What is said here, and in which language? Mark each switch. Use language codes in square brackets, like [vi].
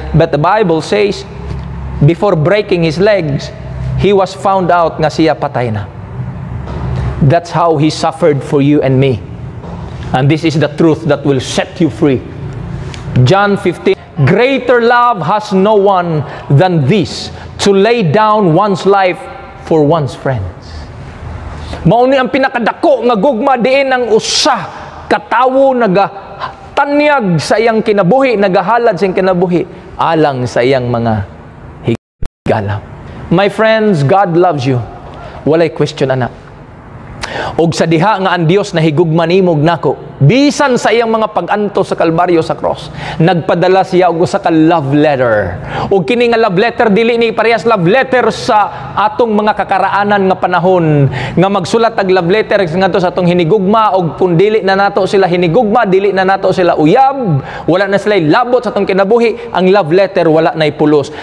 [en] But the Bible says before breaking his legs, he was found out [ceb] nga siya patay na. [en] That's how he suffered for you and me. And this is the truth that will set you free. John 15, greater love has no one than this, to lay down one's life for one's friends. [ceb] Mauni ang pinakadako nga gugma diin ang usa katawo nagatanyag sa iyang kinabuhi, nagahalad sa iyang kinabuhi alang sa iyang mga higala. [en] My friends, God loves you. [ceb] Walay question ana. Og sa diha nga ang Dios na higugma nimo nako, bisan sa iyang mga pag-anto sa Kalbaryo sa cross, nagpadala siya og usa ka love letter. Og kini nga love letter dili ni parehas love letter sa atong mga kakaraanan nga panahon nga magsulat og love letter ngadto sa atong hinigugma, og kun dili na nato sila hinigugma, dili na nato sila uyab, wala na sila labot sa atong kinabuhi, ang love letter wala na ipulos.